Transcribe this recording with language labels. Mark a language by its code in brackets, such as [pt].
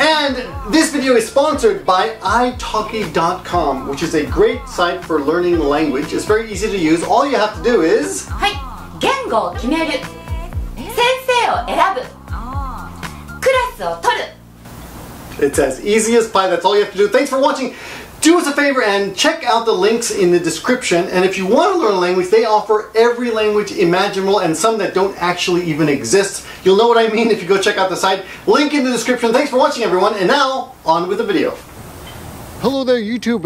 [en] And this video is sponsored by italki.com, which is a great site for learning language. It's very easy to use. All you have to do is... [ja] はい! 言語を決める先生を選ぶクラスを取る [en] It's as easy as pie. That's all you have to do. Thanks for watching. Do us a favor and check out the links in the description. And if you want to learn a language, they offer every language imaginable and some that don't actually even exist. You'll know what I mean if you go check out the site. Link in the description. Thanks for watching, everyone. And now, on with the video. Hello there, YouTube.